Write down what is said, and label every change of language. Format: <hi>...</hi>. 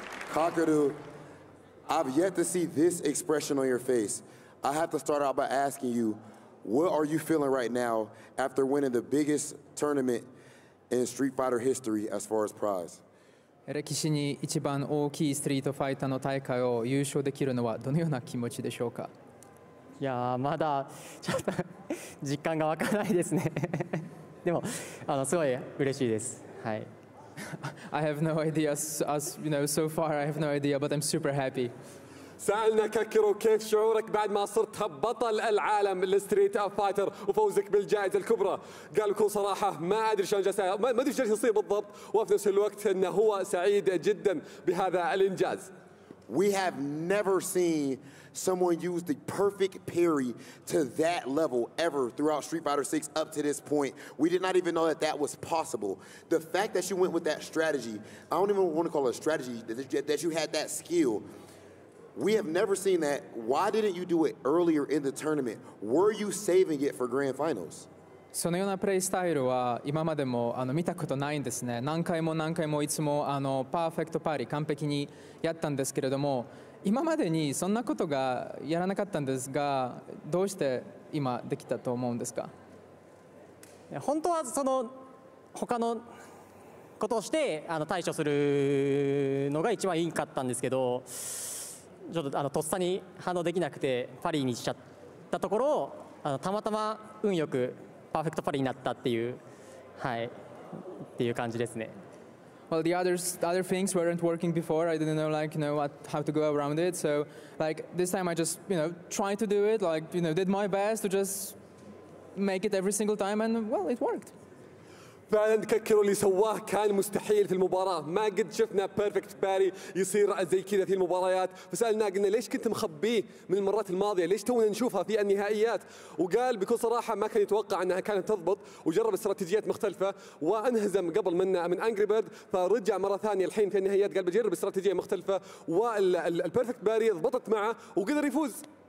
<en>Kakeru, I've yet to see this expression on your face. I have to start out by asking you, what are you feeling right now after winning the biggest tournament in Street Fighter history as far as prize?</en> <ja>歴史に一番大きいストリートファイターの大会を優勝できるのはどのような気持ちでしょうか？いやー、まだちょっと実感が湧かないですね。でも、すごい嬉しいです。はい。</ja> <en>I have no idea, you know, so far I have no idea, but I'm super happy.</en> <ar>سألنا كاكيرو كيف شعورك بعد ما صرت بطل العالم للستريت أوف فايتر وفوزك بالجائزة الكبرى؟ قال بكل صراحة ما أدري شلون جالس ما أدري شلون يصير بالضبط وفي نفس الوقت إنه هو سعيد جدا بهذا الإنجاز.</ar> <en>We have never seen someone use the perfect parry to that level ever throughout Street Fighter 6 up to this point. We did not even know that that was possible. The fact that you went with that strategy, I don't even want to call it a strategy, that you had that skill, we have never seen that. Why didn't you do it earlier in the tournament? Were you saving it for Grand Finals?</en> <ja>そのようなプレイスタイルは今までも見たことないんですね。何回も何回もいつもパーフェクトパーリー完璧にやったんですけれども、今までにそんなことがやらなかったんですが、どうして今できたと思うんですか？本当はその他のことをして対処するのが一番いいかったんですけど、ちょっととっさに反応できなくてパリにしちゃったところをたまたま運よくパーフェクトパリになったっていう、はい、っていう感じですね。</ja> <en>Well, the other things weren't working before. I didn't know, like, you know, how to go around it. So, like, this time I just, you know, tried to do it, like, you know, did my best to just make it every single time, and well, it worked.</en> <ar>فعلا كاكيرو اللي سواه كان مستحيل في المباراة، ما قد شفنا بيرفكت باري يصير زي كذا في المباريات، فسألنا قلنا ليش كنت مخبيه من المرات الماضية؟ ليش تونا نشوفها في النهائيات؟ وقال بكل صراحة ما كان يتوقع انها كانت تضبط وجرب استراتيجيات مختلفة وانهزم قبل من انجري بيرد، فرجع مرة ثانية الحين في النهائيات قال بجرب استراتيجية مختلفة والبيرفكت باري ضبطت معه وقدر يفوز.</ar>